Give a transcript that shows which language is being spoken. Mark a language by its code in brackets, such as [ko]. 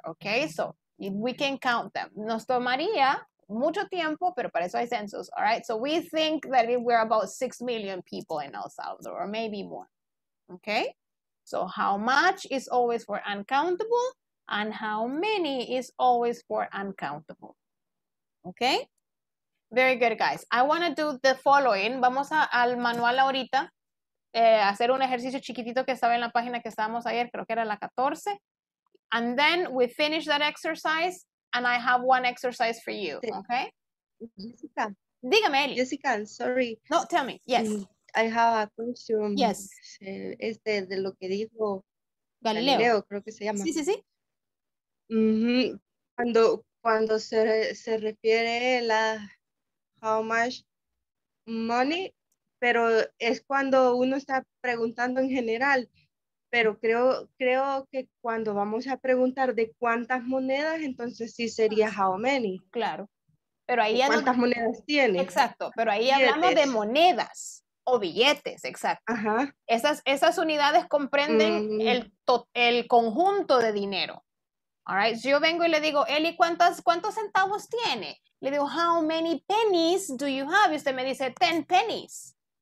[en] Okay? So we can count them. [es] Nos tomaría mucho tiempo, pero para eso hay [en] census, all right? So we think that we're about 6 million people in El Salvador, or maybe more, okay? So how much is always for uncountable, and how many is always for uncountable, okay? Very good, guys. I want to do the following. [es] Vamos al manual ahorita, hacer un ejercicio chiquitito que estaba en la página que estábamos ayer, creo que era la 14. [en] And then we finish that exercise, and I have one exercise for you, okay? Jessica. [es] Dígame, Eli. [en] Jessica, sorry. No, tell me, yes. I have a question. Yes. [es] Este de lo que dijo Galileo. Galileo, creo que se llama. Sí, sí, sí. Mm-hmm. Cuando se refiere a [en] how much money, [es] pero es cuando uno está preguntando en general. Pero creo que cuando vamos a preguntar de cuántas monedas, entonces sí sería [en] how many. [es] Claro. Pero ahí ¿cuántas monedas tiene? Exacto, pero ahí billetes. Hablamos de monedas o billetes, exacto. Ajá. Esas unidades comprenden el conjunto de dinero. [en] All right. [es] Si yo vengo y le digo, Eli, ¿cuántos centavos tiene? Le digo, [en] how many pennies do you have? [es] Y usted me dice, [en] 10 pennies.